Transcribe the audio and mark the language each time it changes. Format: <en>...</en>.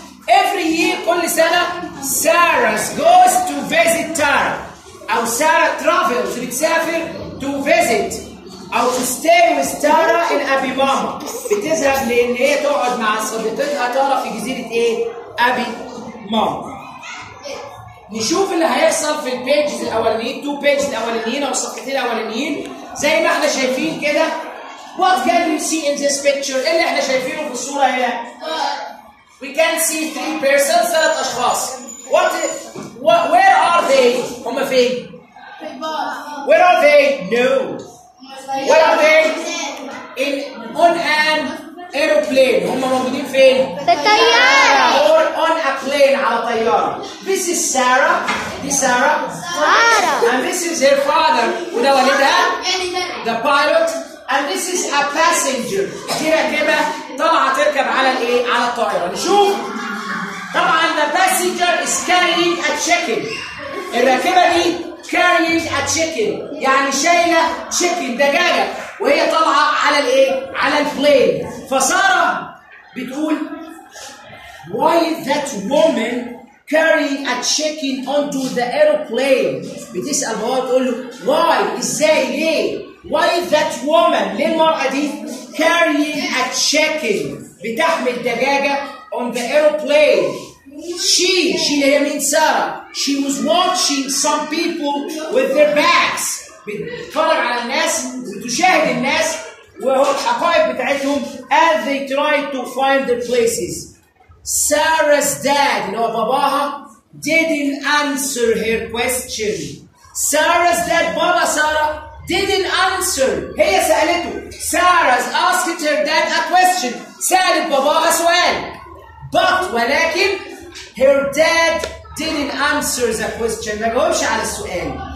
<en>every year,</en> <ar>كل سنه</ar> <en>Sarah goes to visit Tara, or Sarah travels,</en> <ar>بتسافر</ar> <en>to visit or to stay with Tara in ابي ماما،</en> <ar>بتذهب لان هي تقعد مع صديقتها تارا في جزيره ايه؟</ar> <en>ابي ماما.</en> <ar>نشوف اللي هيحصل في البيجز الاولانيين، تو بيجز الاولانيين او الصفحتين الاولانيين. زي ما احنا شايفين كده،</ar> <en>what can you see in this picture؟</en> <ar>اللي احنا شايفينه في الصوره هنا</ar> <en>we can see three persons،</en> <ar>ثلاث اشخاص.</ar> <en>what where are they؟</en> <ar>هم فين؟</ar> <en>where are they؟ no where are they؟ in on an airplane.</en> <ar>هم موجودين فين؟ في الطيارة.</ar> <en>or on a plane،</en> <ar>على طيارة.</ar> <en>this is Sarah،</en> <ar>دي سارة. سارة.</ar> <en>and this is her father،</en> <ar>وده والدها.</ar> <en>the pilot. and this is a passenger،</en> <ar>دي راكبة طالعة تركب على الايه؟ على الطائرة. نشوف. طبعا</ar> <en>the passenger is carrying a chicken.</en> <ar>الراكبة دي</ar> <en>carrying a chicken،</en> <ar>يعني شايلة chicken، دجاجة. وهي طالعة على الايه؟ على البلين. فسارة بتقول</ar> <en>why that woman carrying a chicken onto the airplane؟</en> <ar>بتسأل بابا، بتقول له</ar> <en>why،</en> <ar>ازاي، ليه؟</ar> <en>why that woman،</en> <ar>ليه المرأة دي</ar> <en>carrying a chicken،</en> <ar>بتحمل دجاجة</ar> <en>on the airplane؟ she</en> <ar>اللي هي مين سارة؟</ar> <en>she was watching some people with their backs،</en> <ar>بتتفرج على الناس وتشاهد الناس والحقائب بتاعتهم</ar> <en>as they tried to find their places. Sarah's dad</en> <ar>اللي هو باباها</ar> <en>didn't answer her question. Sarah's dad،</en> <ar>بابا سارة</ar> <en>didn't answer،</en> <ar>هي سألته.</ar> <en>Sarah's asked her dad a question،</en> <ar>سألت باباها سؤال.</ar> <en>But</en> <ar>ولكن</ar> <en>her dad didn't answer the question،</en> <ar>ما جاوبش على السؤال.</ar>